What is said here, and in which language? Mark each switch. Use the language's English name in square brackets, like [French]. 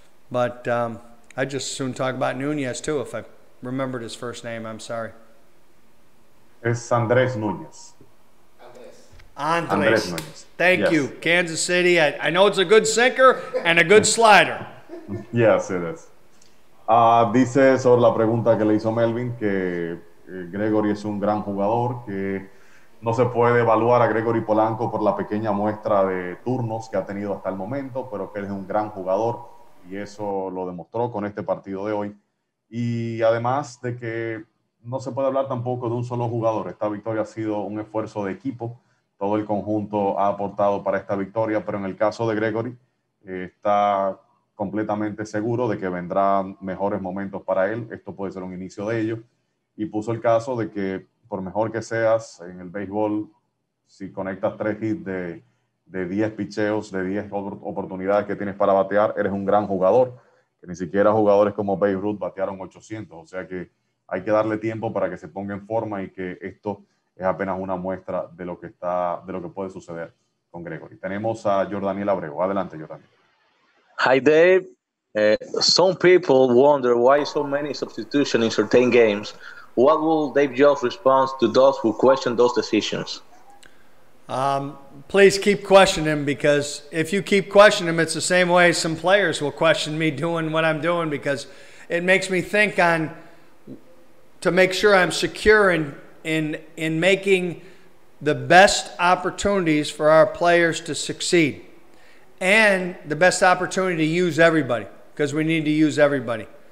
[English] But I'd just soon talk about Nunez, too, if I remembered his first name. I'm sorry. It's Andrés Nunez. Andres. Thank you. Kansas City. I know it's a good sinker and a good slider. Yes, it is. [Spanish] Dice sobre la pregunta que le hizo Melvin que Gregory es un gran jugador, que no se puede evaluar a Gregory Polanco por la pequeña muestra de turnos que ha tenido hasta el momento, pero que él es un gran jugador y eso lo demostró con este partido de hoy. Y además de que no se puede hablar tampoco de un solo jugador, esta victoria ha sido un esfuerzo de equipo, todo el conjunto ha aportado para esta victoria, pero en el caso de Gregory está completamente seguro de que vendrán mejores momentos para él, esto puede ser un inicio de ello, y puso el caso de que por mejor que seas en el béisbol, si conectas 3 hits de 10 picheos, de 10 oportunidades que tienes para batear, eres un gran jugador, que ni siquiera jugadores como Babe Ruth batearon 800, o sea que hay que darle tiempo para que se ponga en forma y que esto es apenas una muestra de lo que está, de lo que puede suceder con Gregory. Tenemos a Jordaniel Abreu. Adelante, Jordaniel. [English] Hi, Dave. Some people wonder why so many substitutions in certain games. What will Dave Jones respond to those who question those decisions? Please keep questioning him, because if you keep questioning him, it's the same way some players will question me doing what I'm doing, because it makes me think on to make sure I'm secure in making the best opportunities for our players to succeed and the best opportunity to use everybody, because we need to use everybody.